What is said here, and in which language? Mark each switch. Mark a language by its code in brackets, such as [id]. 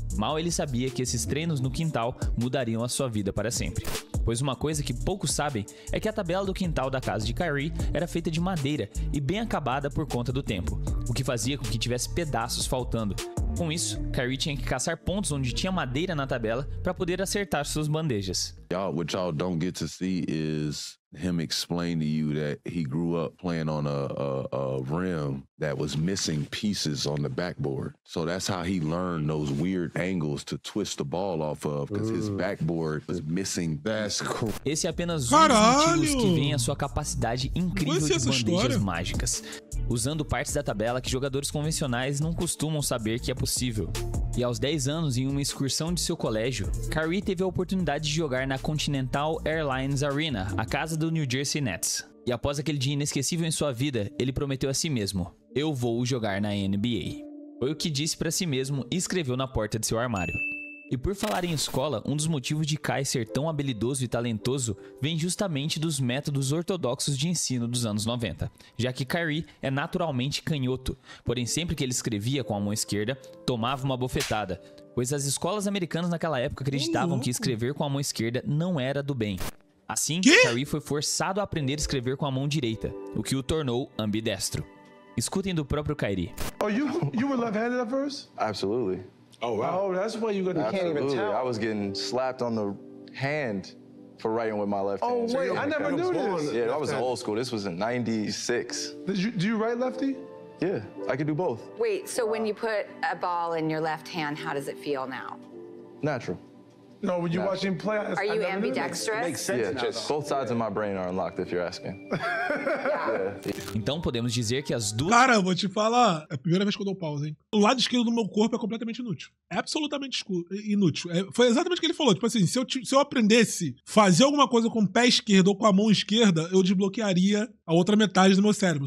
[pt] Mal ele sabia que esses treinos no quintal mudariam a sua vida para sempre. Pois uma coisa que poucos sabem é que a tabela do quintal da casa de Kyrie era feita de madeira e bem acabada por conta do tempo, o que fazia com que tivesse pedaços faltando. Com isso, Kyrie tinha que caçar pontos onde tinha madeira na tabela para poder acertar suas bandejas. [en] Y'all don't get to see is him explain to you that he grew up playing on a rim that was missing pieces on the backboard. So that's how he learned those weird angles to twist the ball off of, because his backboard was missing. [pt] Esse é apenas um dos motivos que vem a sua capacidade incrível de bandejas mágicas, usando partes da tabela que jogadores convencionais não costumam saber que é possível. E aos 10 anos, em uma excursão de seu colégio, Kyrie teve a oportunidade de jogar na Continental Airlines Arena, a casa do New Jersey Nets. E após aquele dia inesquecível em sua vida, ele prometeu a si mesmo: "Eu vou jogar na NBA." Foi o que disse para si mesmo e escreveu na porta de seu armário. E por falar em escola, um dos motivos de Kai ser tão habilidoso e talentoso vem justamente dos métodos ortodoxos de ensino dos anos 90, já que Kyrie é naturalmente canhoto, porém sempre que ele escrevia com a mão esquerda, tomava uma bofetada, pois as escolas americanas naquela época acreditavam que escrever com a mão esquerda não era do bem. Assim, Kyrie foi forçado a aprender a escrever com a mão direita, o que o tornou ambidestro. Escutem do próprio Kyrie. [en] Oh, you were left-handed at first? Absolutely. Oh wow. Oh, that's why you got to can't even tell. I was getting slapped on the hand for writing with my left hand. Oh wait, I never knew this. Yeah, that was old school. This was in 96. Do you write lefty? Yeah, I could do both. Wait, so when you put a ball in your left hand, how does it feel now? Natural. No, when you watch him play, are you ambidextrous? Makes sense. Yeah, just both sides of my brain are unlocked if you're asking. [pt] Então podemos dizer que as duas... Cara, vou te falar, é a primeira vez que eu dou pausa, hein? O lado esquerdo do meu corpo é completamente inútil. É absolutamente inútil. É, foi exatamente o que ele falou. Tipo assim, se eu aprendesse fazer alguma coisa com o pé esquerdo ou com a mão esquerda, eu desbloquearia a outra metade do meu cérebro.